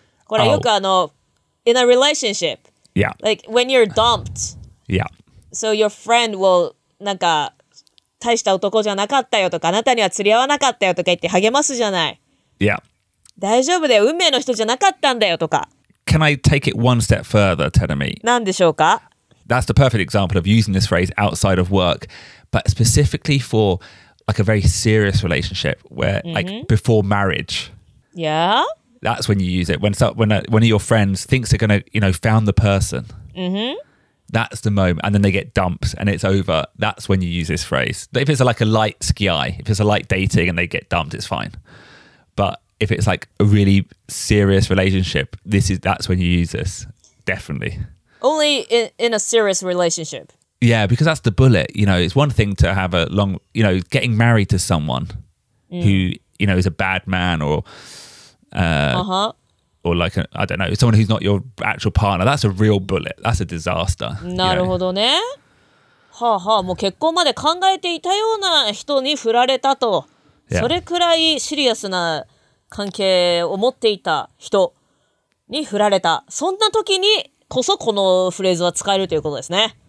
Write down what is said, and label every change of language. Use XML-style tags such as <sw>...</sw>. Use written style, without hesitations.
<ja>これよくあの、</ja> <en>in a relationship. Yeah. Like, when you're dumped. Yeah. So your friend will,</en> <ja>なんか、大した男じゃなかったよとか、あなたには釣り合わなかったよとか言って励ますじゃない。</ja> <en>Yeah.</en> <ja>大丈夫だよ、運命の人じゃなかったんだよとか。</ja> <en>Can I take it one step further, Terumi?</en> <ja>何でしょうか?</ja> <en>That's the perfect example of using this phrase outside of work, but specifically for... like a very serious relationship where、mm-hmm. like before marriage. Yeah. That's when you use it. When one of your friends thinks they're going to, you know, found the person. Mm-hmm. That's the moment. And then they get dumped and it's over. That's when you use this phrase. If it's like a light sky, if it's a light dating and they get dumped, it's fine. But if it's like a really serious relationship, that's when you use this. Definitely. Only in a serious relationship. Yeah, because that's the bullet. You know, it's one thing to have a long, you know, getting married to someone、mm. who, you know, is a bad man or, or like, a, I don't know, someone who's not your actual partner. That's a real bullet. That's a disaster.</en> <ja>なるほどね。はあはあ、もう結婚まで考えていたような人に振られたと。それくらいシリアスな関係を持っていた人に振られた。そんな時にこそこのフレーズは使えるということですね。</ja>